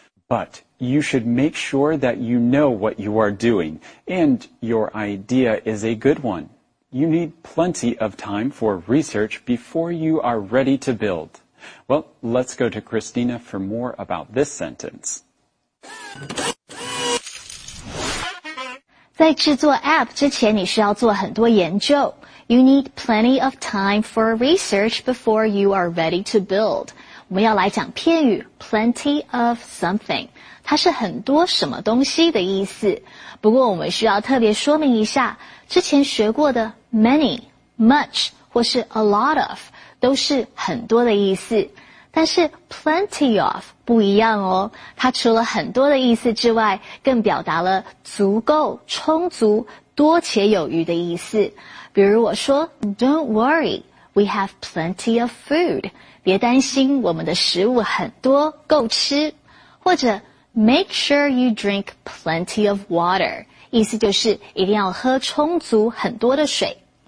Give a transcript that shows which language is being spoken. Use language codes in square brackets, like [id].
[en] But you should make sure that you know what you are doing, and your idea is a good one. You need plenty of time for research before you are ready to build. Well, let's go to Christina for more about this sentence. [zh] 在制作 app 之前你需要做很多研究。 [en] You need plenty of time for research before you are ready to build. [zh] 我们要来讲片语 plenty of something. 它是很多什么东西的意思。不过我们需要特别说明一下之前学过的Many, much, 或是 a lot of, 都是很多的意思。但是 plenty of 不一样哦。它除了很多的意思之外，更表达了足够、充足、多且有余的意思。比如我说 [en] Don't worry, we have plenty of food. [zh] 别担心，我们的食物很多，够吃。或者 [en] Make sure you drink plenty of water. [zh] 意思就是一定要喝充足很多的水。